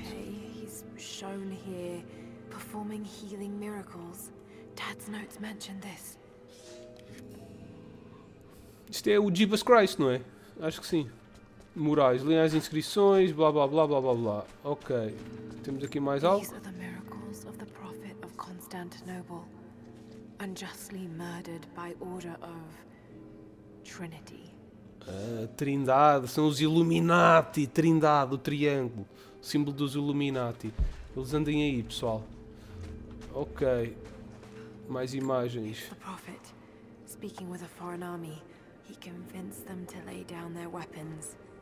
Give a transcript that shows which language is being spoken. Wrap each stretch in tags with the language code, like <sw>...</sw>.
<en>He's shown here, performing healing miracles. Dad's notes mentioned this.</en> <pt>Isto é o Jesus Christ, não é? Acho que sim. Murais, linhas de inscrições, blá blá blá blá blá blá. Ok. Temos aqui mais algo.</pt> <en>These are the miracles of the prophet of Constantinople, unjustly murdered by order of Trinity.</en> <pt>Trindade, são os Illuminati, Trindade, o triângulo, o símbolo dos Illuminati. Eles andem aí, pessoal. Ok. Mais imagens.</pt> <en>O prophet, speaking with a foreign army, he convinced them to lay down their weapons.</en>